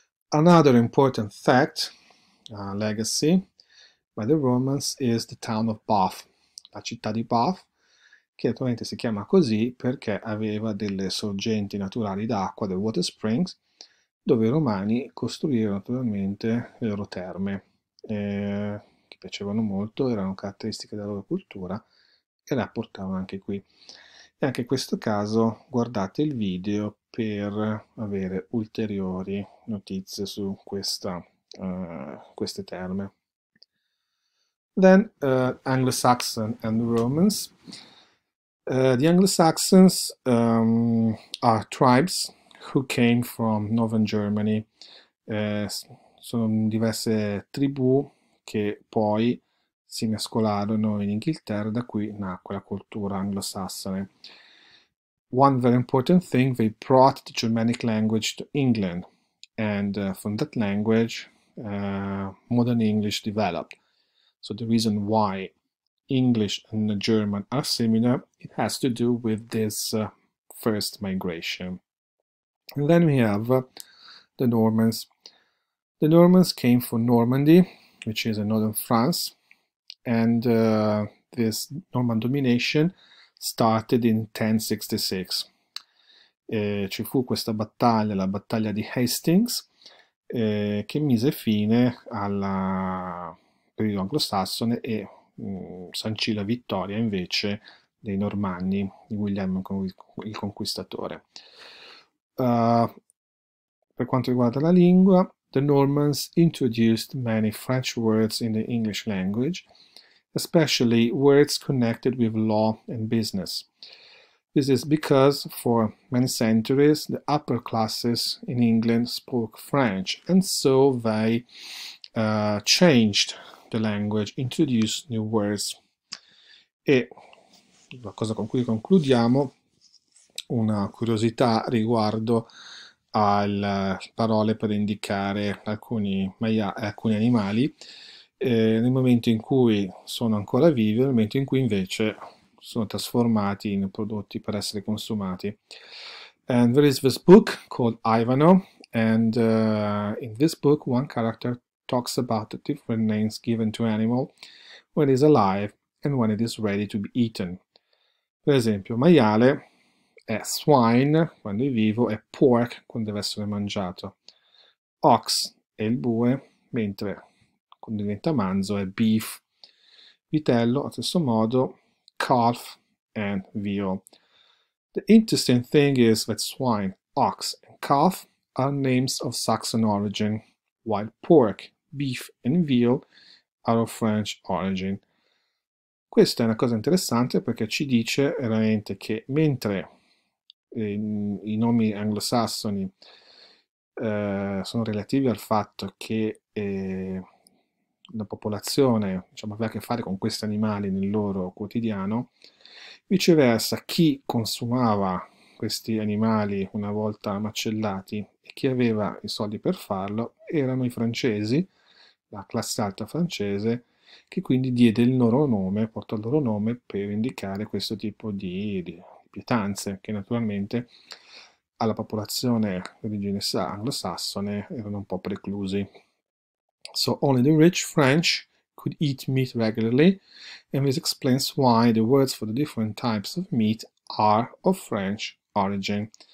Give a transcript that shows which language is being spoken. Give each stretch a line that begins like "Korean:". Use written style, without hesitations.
English: Another important fact, legacy by the Romans is the town of Bath,
Italian: la città di Bath, che attualmente si chiama così perché aveva delle sorgenti naturali d'acqua,
English: the water springs,
Italian: dove i romani costruirono naturalmente le loro terme, che piacevano molto, erano caratteristiche della loro cultura e la portavano anche qui. E anche in questo caso guardate il video per avere ulteriori notizie su queste terme.
English: Then Anglo-Saxon and Romans. The Anglo-Saxons are tribes who came from northern Germany.
Italian: Sono diverse tribù che poi si mescolarono in Inghilterra, da cui nacque la cultura anglosassone.
English: One very important thing, they brought the Germanic language to England, and from that language, modern English developed. So the reason why English and German are similar, it has to do with this first migration. And then we have the Normans. The Normans came from Normandy, which is in northern France, and this Norman domination started in 1066.
Italian: Ci fu questa battaglia, la battaglia di Hastings, che mise fine al periodo anglosassone e sancì la vittoria invece dei Normanni, di William il Conquistatore. Per quanto riguarda la lingua,
English: the Normans introduced many French words in the English language, especially words connected with law and business. This is because for many centuries the upper classes in England spoke French, and so they changed the language, introduce new words.
Italian: E la cosa con cui concludiamo, una curiosità riguardo alle parole per indicare alcuni animali, nel momento in cui sono ancora vivi, nel momento in cui invece sono trasformati in prodotti per essere consumati.
English: And there is this book called Ivano, and in this book one character talks about the different names given to animal when it is alive and when it is ready to be eaten.
Italian: Per esempio, maiale è swine quando è vivo e pork quando deve essere mangiato. Ox è il bue, mentre quando diventa manzo è beef. Vitello, allo stesso modo, calf and veal.
English: The interesting thing is that swine, ox and calf are names of Saxon origin, while pork, beef and veal are of French origin.
Italian: Questa è una cosa interessante perché ci dice veramente che mentre i nomi anglosassoni sono relativi al fatto che la popolazione, diciamo, aveva a che fare con questi animali nel loro quotidiano, viceversa, chi consumava questi animali una volta macellati e chi aveva i soldi per farlo erano i francesi, la classe alta francese, che quindi diede il loro nome, portò il loro nome per indicare questo tipo di pietanze, che naturalmente alla popolazione di origine anglosassone erano un po' preclusi.
English: So only the rich French could eat meat regularly, and this explains why the words for the different types of meat are of French origin.